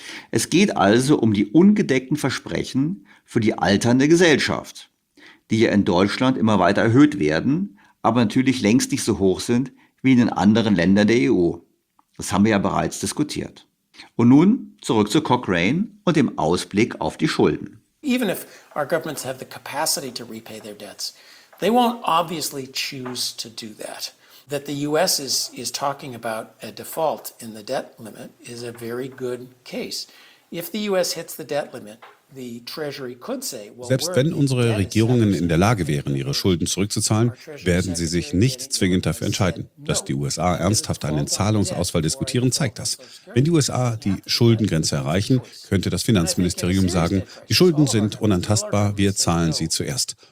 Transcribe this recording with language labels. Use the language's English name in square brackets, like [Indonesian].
[German] Es geht also um die ungedeckten Versprechen für die alternde Gesellschaft, die ja in Deutschland immer weiter erhöht werden, aber natürlich längst nicht so hoch sind wie in den anderen Ländern der EU. Das haben wir ja bereits diskutiert. Und nun zurück zu Cochrane und dem Ausblick auf die Schulden. [English] Even if our governments have the capacity to repay their debts, they won't obviously choose to do that. That the US is talking about a default in the debt limit is a very good case. If the US hits the debt limit, the Treasury could say, well, [German] selbst wenn unsere Regierungen in der Lage wären, ihre Schulden zurückzuzahlen, werden sie sich nicht zwingend dafür entscheiden. Dass die USA ernsthaft einen Zahlungsausfall diskutieren, zeigt das. Wenn die USA die Schuldengrenze erreichen, könnte das Finanzministerium sagen, die Schulden sind unantastbar, wir zahlen sie zuerst.